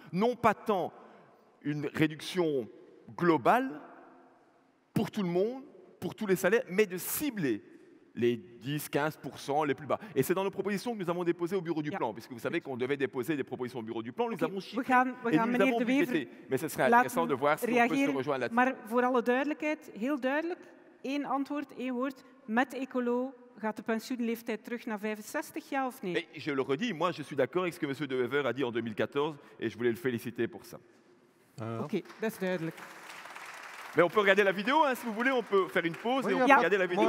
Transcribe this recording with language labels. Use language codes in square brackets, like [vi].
[fr] Non pas tant une réduction globale pour tout le monde, pour tous les salaires, mais de cibler les 10-15% les plus bas. Et c'est dans nos propositions que nous avons déposées au bureau du plan, puisque vous savez qu'on devait déposer des propositions au bureau du plan, nous avons chiffré et nous avons budgété. Mais ce serait intéressant de voir si réagir, on peut se rejoindre là-dessus. [nl] Mais pour alle duidelijkheid, heel duidelijk, één antwoord, één woord, met écolo. Gaat de pensioenleeftijd terug naar 65, ja of nee? [fr] Mais je le redis, moi je suis d'accord avec ce que M. De Wever a dit en 2014 et je voulais le féliciter pour ça. [nl] Ok, dat is duidelijk. [fr] Mais on peut regarder la vidéo, hein, si vous voulez, on peut faire une pause et on peut regarder la vidéo.